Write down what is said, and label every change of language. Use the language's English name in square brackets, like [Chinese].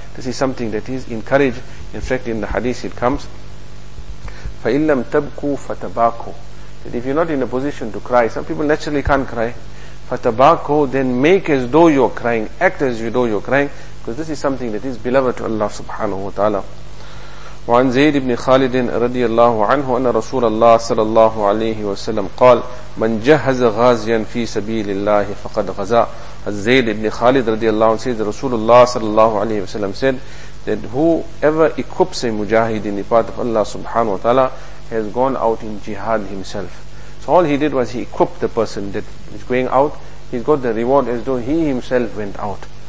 [English] This is something that is encouraged. In fact, in the hadith it comes, [Arabic] فَإِن لَمْ تَبْكُوا فَتَبَاكُوا. [English] That if you're not in a position to cry, some people naturally can't cry, فَتَبَاكُوا, then make as though you're crying, act as though you're crying, because this is something that is beloved to Allah subhanahu wa ta'ala. [Arabic] وعن زيد بن خالد رضي الله عنه أن رسول الله صلى الله عليه وسلم قال من جهز غازيا في سبيل الله فقد غزا. [English] زيد بن خالد [Arabic] رضي الله عنه [English] says [Arabic] رسول الله صلى الله عليه وسلم [English] said that whoever equips a mujahid in the path of Allah subhanahu wa ta'ala has gone out in jihad himself. So all he did was he equipped the person that is going out. He's got the reward as though he himself went out.